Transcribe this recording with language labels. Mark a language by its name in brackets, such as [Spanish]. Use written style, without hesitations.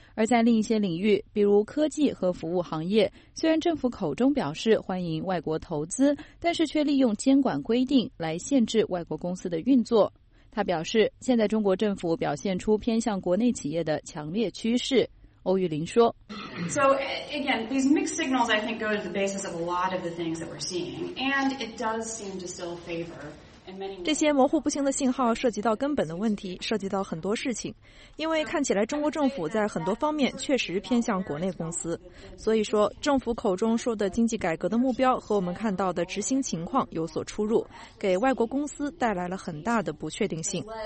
[Chinese] 而在另一些领域，比如科技和服务行业，虽然政府口中表示欢迎外国投资，但是却利用监管规定来限制外国公司的运作。他表示，现在中国政府表现出偏向国内企业的强烈趋势。欧玉林说 [English] ：“So again, these mixed signals, I think, go to the basis of a lot of the things that we're seeing, and it does seem to still favor [Chinese] 这些模糊不清的信号涉及到根本的问题，涉及到很多事情，因为看起来中国政府在很多方面确实偏向国内公司，所以说政府口中说的经济改革的目标和我们看到的执行情况有所出入，给外国公司带来了很大的不确定性。